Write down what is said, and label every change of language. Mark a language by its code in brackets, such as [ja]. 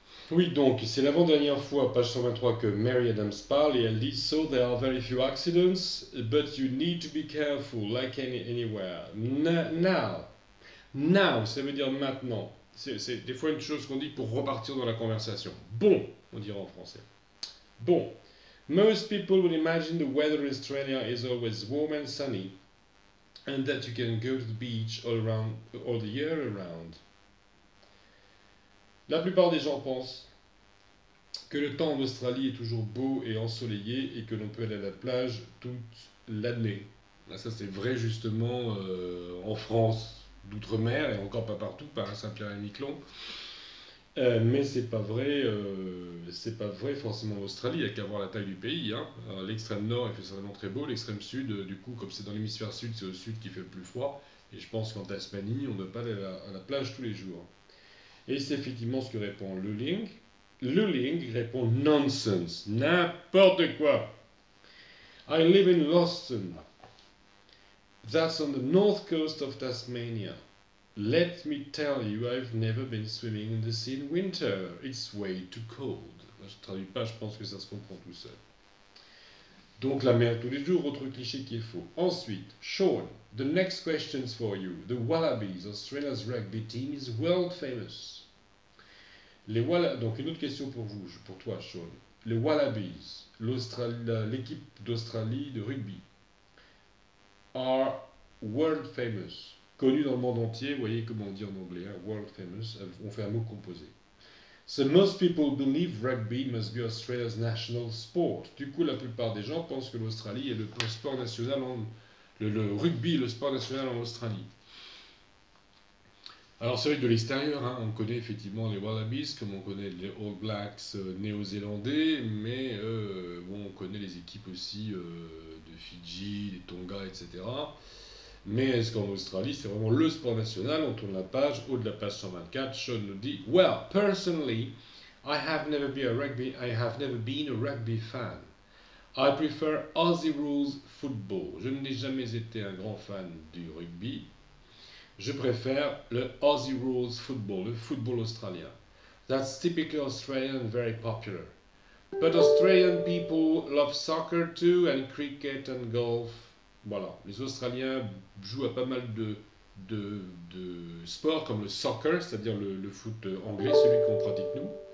[fr] Oui, donc c'est l'avant-dernière fois, page 123, que Mary Adams parle et elle dit: [en] So there are very few accidents, but you need to be careful, like anywhere. [fr] Now, ça veut dire maintenant. C'est des fois une chose qu'on dit pour repartir dans la conversation. Bon, on dirait en français. Bon. [en] Most people would imagine the weather in Australia is always warm and sunny, and that you can go to the beach all around, all the year around. [fr] La plupart des gens pensent que le temps en Australie est toujours beau et ensoleillé et que l'on peut aller à la plage toute l'année. Ça, c'est vrai justement en France d'outre-mer et encore pas partout, pas à Saint-Pierre-et-Miquelon. Mais c'est pas vrai forcément en Australie, il n'y a qu'à voir la taille du pays, hein. L'extrême nord il fait vraiment très beau, l'extrême sud, du coup, comme c'est dans l'hémisphère sud, c'est au sud qui fait le plus froid. Et je pense qu'en Tasmanie, on ne peut pas aller à la plage tous les jours. Et c'est effectivement ce que répond Luling. Luling répond nonsense, n'importe quoi. [en] I live in Lawson. That's on the north coast of Tasmania. Let me tell you, I've never been swimming in the sea in winter. It's way too cold. [fr] Je traduis pas, je pense que ça se comprend tout seul. Donc la mer tous les jours, autre cliché qui est faux. Ensuite, [en] Sean, the next question's for you. The Wallabies, Australia's rugby team, is world famous. [fr] Donc une autre question pour vous, pour toi, Sean. Les Wallabies, l'équipe d'Australie de rugby, [en] are world famous. [fr] Connu dans le monde entier, voyez comment on dit en anglais, hein, world famous, on fait un mot composé. [en] So most people believe rugby must be Australia's national sport. [fr] Du coup, la plupart des gens pensent que l'Australie est le sport national, le rugby, le sport national en Australie. Alors, c'est vrai que de l'extérieur, hein, on connaît effectivement les Wallabies, comme on connaît les All Blacks néo-zélandais, mais bon, on connaît les équipes aussi de Fidji, des Tonga, etc. Mais est-ce qu'en Australie, c'est vraiment le sport national? On tourne la page, au de la page 124, Sean nous dit: [en] Well, personally, I have never been a rugby fan. I prefer Aussie rules football. [fr] Je n'ai jamais été un grand fan du rugby. Je préfère le Aussie rules football, le football australien. [en] That's typically Australian and very popular. But Australian people love soccer too and cricket and golf. [fr] Voilà, les Australiens jouent à pas mal de sports comme le soccer, c'est-à-dire le foot anglais, celui qu'on pratique nous.